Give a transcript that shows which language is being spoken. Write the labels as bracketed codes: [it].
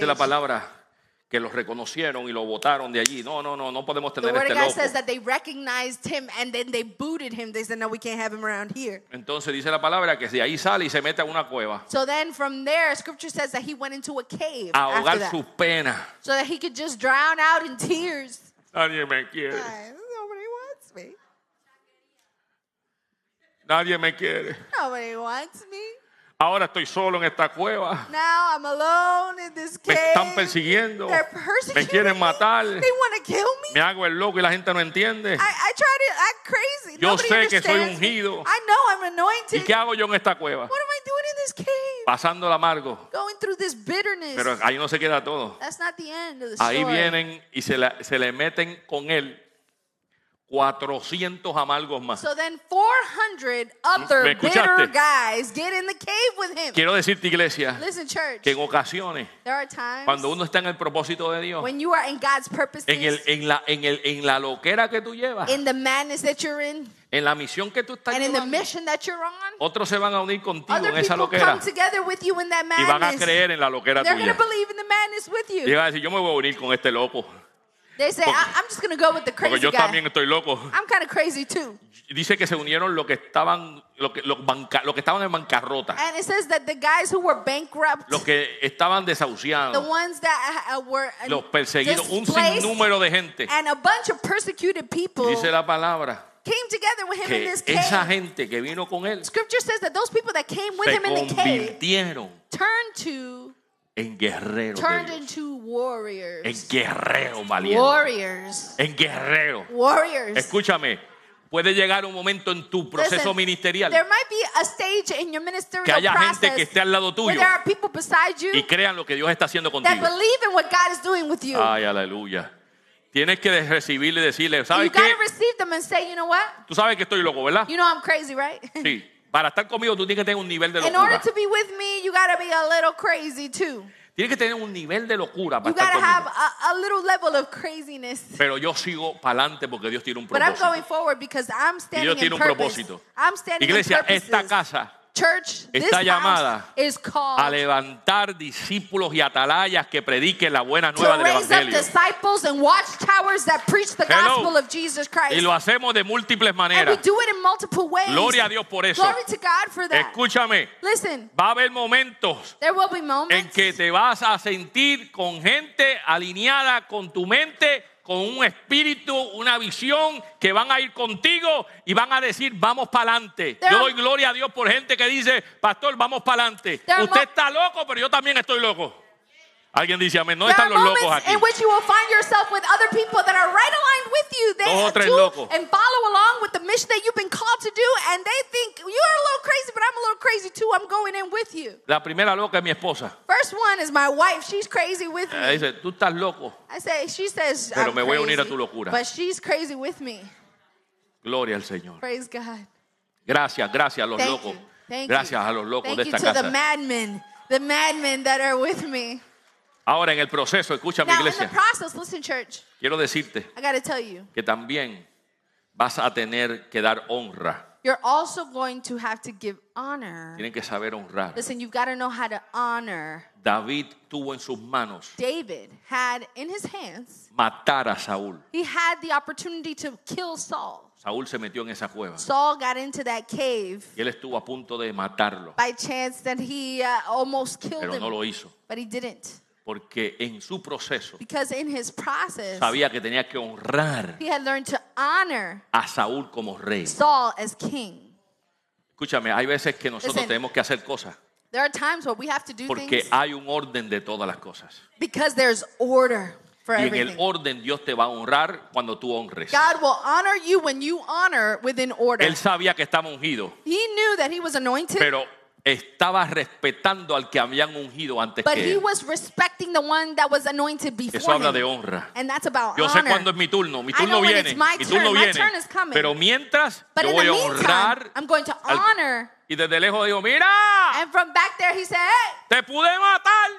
[es] Dice la palabra que los reconocieron y lo botaron de allí. No, no, no, no podemos tener este loco. [en] The word of God says that they recognized him and then they booted him. They said, no, we can't have him around here. [es] Entonces dice la palabra que de ahí sale y se mete a una cueva. [en] So then from there, scripture says that he went into a cave. [es] A ahogar su pena. [en] So that he could just drown out in tears. [es] Nadie me quiere. [en] Nobody wants me. [es] Nadie me quiere. [en] Nobody wants me. [es] Ahora estoy solo en esta cueva. [en] Now I'm alone in this cave. [es] Me están persiguiendo. [en] They're persecuting [es] me. Me quieren matar. [en] They want to kill me. [es] Me hago el loco y la gente no entiende. [en] I try to act crazy. [es] Yo sé que soy ungido. [en] I know I'm anointed. [es] ¿Y qué hago yo en esta cueva? [en] What am I doing in this cave? [es] Pasando el amargo. [en] Going through this bitterness. [es] Pero ahí no se queda todo. [en] That's not the end of the [es] ahí [en] story. [es] Ahí vienen y se le meten con él 400 amargos más. [en] So then 400 other bitter guys get in the cave with him. [es] Quiero decirte, iglesia, [en] Listen, church, [es] que en ocasiones [en] there are times, [es] cuando uno está en el propósito de Dios, [en] when you are in God's purposes, [es] en la loquera que tú llevas, [en] in the madness that you're in, [es] en la misión que tú estás [en] and [es] llevando, [en] in the mission that you're on, [es] otros se van a unir contigo [en] other [es] en esa loquera [en] come together with you in that madness, [es] y van a creer en la loquera [en] they're [es] tuya. [en] Gonna believe in the madness with you. [es] Y van a decir, yo me voy a unir con este loco. [en] They say, I'm just going to go with the crazy [es] yo [en] guy. [es] También estoy loco. [en] I'm kind of crazy too. [es] Dice que se unieron los que estaban los que estaban en bancarrota. [en] And it says that the guys who were bankrupt. [es] Los que estaban desahuciados. [en] The ones that were [es] los perseguidos, un sinnúmero de gente. [en] And a bunch of persecuted people. [es] Dice la palabra. [en] Came together with him [es] que [en] in this cave. [es] Esa gente que vino con él. [en] Scripture says that those people that came with him in the cave. [es] Se convirtieron. [en] Turned to. [es] En guerreros. [en] Turned into warriors. [es] En guerreros valientes. [en] Warriors. [es] En guerreros. [en] Warriors. [es] Escúchame. Puede llegar un momento en tu proceso [en] Listen, [es] ministerial. [en] There might be a stage in your ministerial [es] que haya [en] process [es] gente que esté al lado tuyo. [en] Where there are people beside you. [es] Y crean lo que Dios está haciendo contigo. [en] That believe in what God is doing with you. [es] Ay, aleluya. Tienes que recibirle y decirle, ¿sabes qué? [en] You gotta receive them and say, you know what? [es] Tú sabes que estoy loco, ¿verdad? [en] You know I'm crazy, right? [es] Sí. Para estar conmigo tú tienes que tener un nivel de locura. [en] In order to be with me, you gotta be a little crazy too. [es] Tienes que tener un nivel de locura para [en] you gotta [es] estar [en] have [es] conmigo. [en] A little level of craziness. [es] Pero yo sigo para adelante porque Dios tiene un propósito. [en] But I'm going forward because I'm standing in purpose. [es] Dios tiene un propósito. [en] I'm standing [es] Iglesia, [en] in purposes. [es] Esta casa [en] Church, [es] está [en] this [es] llamada [en] house is called [es] a levantar discípulos y atalayas que prediquen la buena nueva del evangelio. [en] To raise up disciples and watchtowers that preach the Hello. Gospel of Jesus Christ. [es] Y lo hacemos de múltiples maneras. [en] And we do it in multiple ways. [es] Gloria a Dios por eso. [en] Glory to God for that. [es] Escúchame. [en] Listen. [es] Va a haber momentos [en] there will be moments [es] en que te vas a sentir con gente alineada con tu mente, con un espíritu, una visión que van a ir contigo y van a decir vamos para adelante. Yo doy gloria a Dios por gente que dice, "Pastor, vamos para adelante." Usted está loco, pero yo también estoy loco. Alguien dice amén, no están los locos aquí. [en] In which you will find yourself with other people that are right aligned with you. They [es] dos o tres locos. [en] And follow along with the mission that you've been called to do and they think you're a little crazy, but I'm a little crazy too. I'm going in with you. [es] La primera loca es mi esposa. [en] First one is my wife. She's crazy with me. [es] Dice, "Tú estás loco." [en] I say, she says, [es] "Pero [en] I'm [es] me [en] crazy, [es] voy a unir a tu locura." [en] But she's crazy with me. [es] Gloria al Señor. [en] Praise God. [es] Gracias a los [en] Thank [es] locos. [en] You. Thank [es] gracias [en] you. [es] A los locos [en] Thank [es] de esta [en] you [es] casa. [en] To the madmen that are with me. [es] Ahora en el proceso, escúchame, [en] Now, [es] iglesia. [en] In the process, listen, church, [es] quiero decirte [en] I gotta tell you, [es] que también vas a tener que dar honra [en] You're also going to have to give honor. [es] Tienen que saber honrar. [en] Listen, you've got to know how to honor. [es] David tuvo en sus manos. [en] David had in his hands. [es] Matar a Saúl. [en] He had the opportunity to kill Saul. [es] Saúl se metió en esa cueva. [en] Saul got into that cave. [es] Y él estuvo a punto de matarlo. [en] By chance that he almost killed him. [es] Pero no lo hizo. [en] But he didn't. [es] Porque en su proceso. [en] Because in his process. [es] Sabía que tenía que honrar. [en] He had learned to honor. [es] A Saúl como rey. [en] Saul as king. [es] Escúchame, hay veces que nosotros [en] Listen, [es] tenemos que hacer cosas. [en] There are times where we have to do [es] porque [en] things. [es] Porque hay un orden de todas las cosas. [en] Because there's order. [es] Y en el orden Dios te va a honrar cuando tú honres. [en] God will honor you when you honor within order. [es] Él sabía que estaba ungido. [en] He knew that he was anointed. [es] Pero estaba respetando al que habían ungido antes [en] But [es] que él. [en] But he was respecting the one that was anointed before. [es] Eso habla de honra. [en] And that's about honor. [es] Yo sé cuándo es mi turno. Mi turno viene. Mi turno viene. [en] My turn is coming. [es] Pero mientras [en] But [es] yo voy a honrar. [en] I'm going to honor. [es] Y desde lejos digo, mira. [en] And from back there he said, hey. [es] Te pude matar.